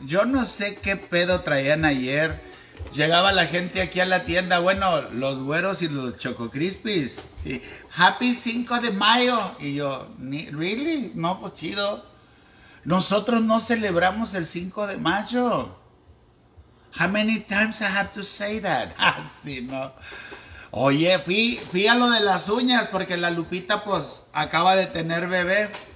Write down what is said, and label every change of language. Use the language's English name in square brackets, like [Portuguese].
[Spanish] Yo no sé qué pedo traían ayer. Llegaba la gente aquí a la tienda, bueno, los güeros y los Choco Crispies. Y Happy 5 de mayo. Y yo, ¿really? No, pues chido. Nosotros no celebramos el 5 de mayo. [English] How many times I have to say that? [Spanish] Así, ¿no? Oye, fui a lo de las uñas porque la Lupita, pues, acaba de tener bebé.